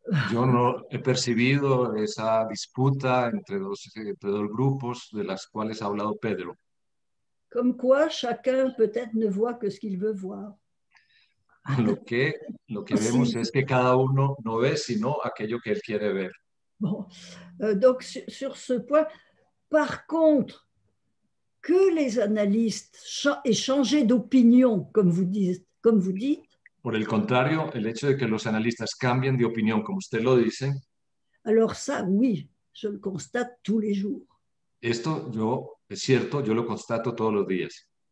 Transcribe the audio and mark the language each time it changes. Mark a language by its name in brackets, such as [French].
[Spanish] Yo no he percibido esa disputa entre dos grupos de las cuales ha hablado Pedro. [French] Comme quoi chacun peut-être ne voit que ce qu'il veut voir. [Spanish] Lo que sí. Vemos es que cada uno no ve sino aquello que él quiere ver. [French] Bon. Donc sur ce point, par contre, que les analystes aient changé d'opinion, comme vous dites. [Spanish] Por el contrario, el hecho de que los analistas cambien de opinión, como usted lo dice. [French] Alors ça, oui, je le constate tous les jours. [Spanish] Esto yo es cierto, yo lo constato todos los días.